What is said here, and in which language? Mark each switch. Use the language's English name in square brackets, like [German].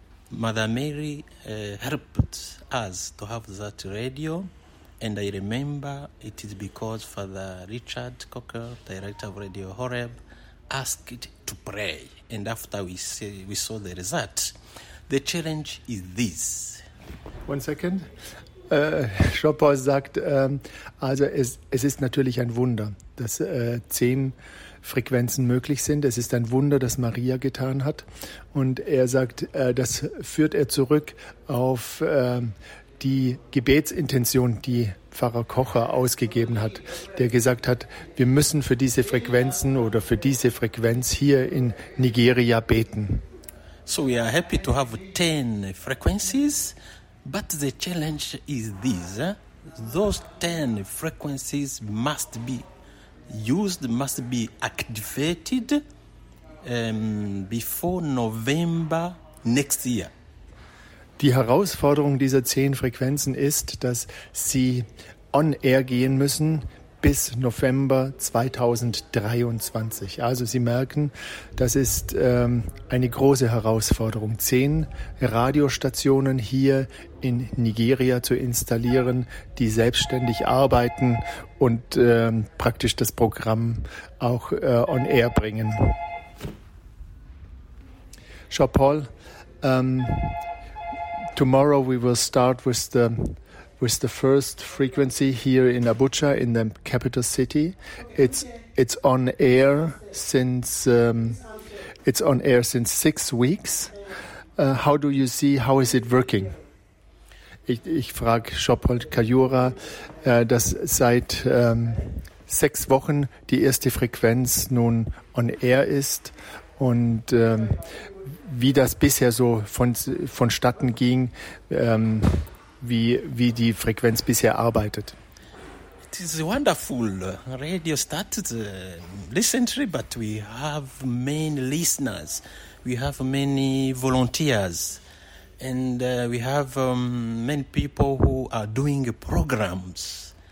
[English] Mother Mary helped us to have that radio. And I remember it is because Father Richard Cocker, director of Radio Horeb, asked it to pray. And after we saw the result, the challenge is this. One second. [German] Jean-Paul sagt, also es ist natürlich ein Wunder, dass 10 Frequenzen möglich sind. Es ist ein Wunder, das Maria getan hat. Und er sagt, das führt er zurück auf die Gebetsintention, die Pfarrer Kocher ausgegeben hat, der gesagt hat, wir müssen für diese Frequenzen oder für diese Frequenz hier in Nigeria beten. [English] So we are happy to have 10 frequencies, but the challenge is this. Those 10 frequencies must be used, must be activated before November next year. [German] Die Herausforderung dieser 10 Frequenzen ist, dass sie on air gehen müssen bis November 2023. Also Sie merken, das ist eine große Herausforderung, 10 Radiostationen hier in Nigeria zu installieren, die selbstständig arbeiten und praktisch das Programm auch on air bringen. [English] Jean-Paul, tomorrow we will start with the first frequency here in Abuja, in the capital city. It's on air since 6 weeks. How do you see? How is it working? [German] Ich frage Jean-Paul Kayura, dass seit 6 Wochen die erste Frequenz nun on air ist und wie das bisher so vonstatten ging, wie die Frequenz bisher arbeitet. [English] It is wonderful. Radio started recently, but we have many listeners. we have many volunteers, and we have many people who are doing programs.